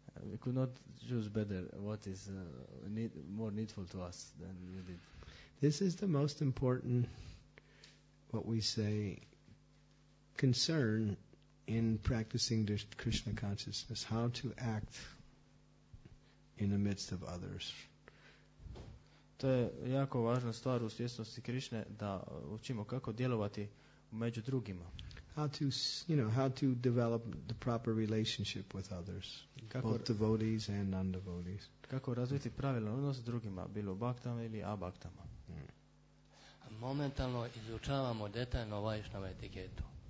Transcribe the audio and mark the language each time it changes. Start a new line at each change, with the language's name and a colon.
English: We could not choose better what is more needful to us than you did. This is the most important, what we say, concern in practicing the Krishna consciousness, how to act in the midst of others.
Croatian: To je jako važna stvar u svjesnosti Krišne, da učimo kako djelovati među drugima.
English: How to, you know, how to develop the proper relationship with others,
Croatian: kako,
English: both devotees and non-devotees.
Croatian: Kako razviti pravilan odnos s drugima, bilo baktama ili abaktama. Momentalno izučavamo detaljno Vaishnava etiketu.